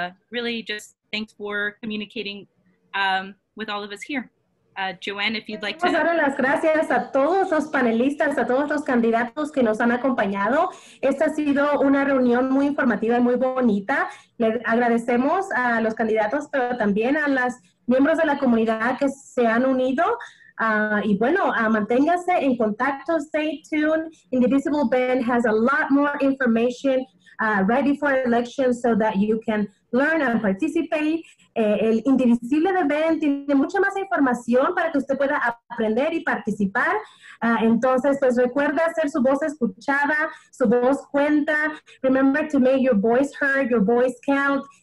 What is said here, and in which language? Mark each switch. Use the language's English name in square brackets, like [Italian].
[English] Really just thanks for communicating with all of us here. Joanne, if you'd like to. [Spanish] Dar las gracias a todos los panelistas, a todos los candidatos que nos han acompañado. Esta ha sido una reunión muy informativa y muy bonita. Le agradecemos a los candidatos, pero también a los miembros de la comunidad que se han unido. Y bueno, manténgase en contacto, [English] stay tuned. Indivisible Ben has a lot more information ready for elections so that you can learn and participate. [Spanish] El Indivisible de Ben tiene mucha más información para que usted pueda aprender y participar. Entonces, pues recuerde hacer su voz escuchada, su voz cuenta. [English] Remember to make your voice heard, your voice count.